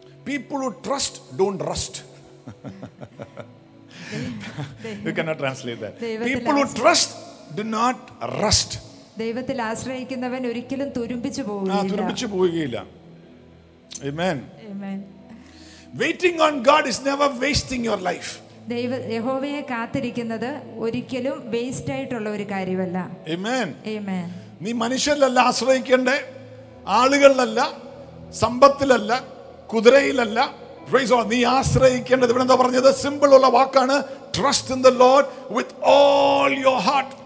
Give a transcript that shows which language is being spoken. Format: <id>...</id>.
<en>People who trust don't rust. You cannot translate that. People who trust do not rust.</en> <ml>ദൈവത്തിൽ ആശ്രയിക്കുന്നവൻ ഒരിക്കലും തുരുമ്പിച്ചു പോവുകയില്ല. Amen.</ml> <en>Amen. Waiting on God is never wasting your life.</en> <ml>യഹോവയെ കാത്തിരിക്കുന്നത് ഒരിക്കലും waste ആയിട്ടുള്ള ഒരു കാര്യമല്ല.</ml> <en>Amen. Amen.</en> <ml>നീ മനുഷ്യരല്ല ആശ്രയിക്കേണ്ടേ, ആളുകളല്ല, സമ്പത്തിലല്ല, കുതിരയിലല്ല.</ml> <en>Praise lord.</en> <ml>നീ ആശ്രയിക്കേണ്ടത് ഇവിടെ എന്താ പറഞ്ഞത്? സിമ്പിൾ ഉള്ള വാക്കാണ്,</ml> <en>Trust in the lord with all your heart.</en>